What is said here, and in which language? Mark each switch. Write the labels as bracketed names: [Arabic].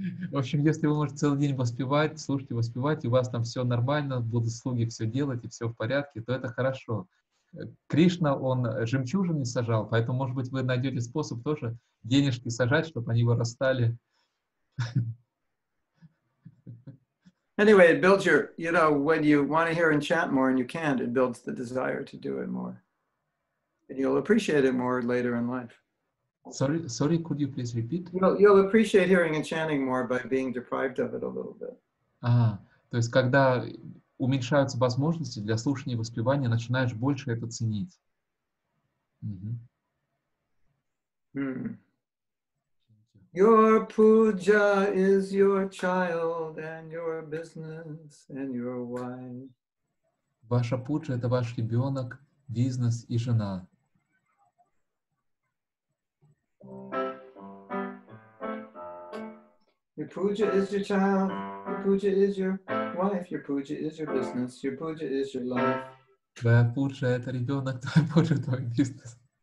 [Russian] В общем, если вы можете целый день воспевать, слушать и воспевать, и у вас там все нормально, будут слуги все делать и все в порядке, то это хорошо. Кришна, он жемчужины сажал, поэтому, может быть, вы найдете способ тоже денежки сажать, чтобы они вырастали. [English] Anyway, it builds your, you know, when you want to hear and chant more and you can't, it builds the desire to do it more. And you'll appreciate it more later in life. Sorry, could you please repeat? You'll appreciate hearing and chanting more by being deprived of it a little bit. [Russian] Ah, то есть когда уменьшаются возможности для слушания и воспевания, начинаешь больше это ценить. [English] Your puja is your child and your business and your wife. [Russian] Ваша пуджа — это ваш ребенок, бизнес и жена. [English] Your puja is your child, your puja is your wife, your puja is your business, your puja is your life. [Russian] Твоя пуджа — это ребенок, твоя пуджа — твой бизнес.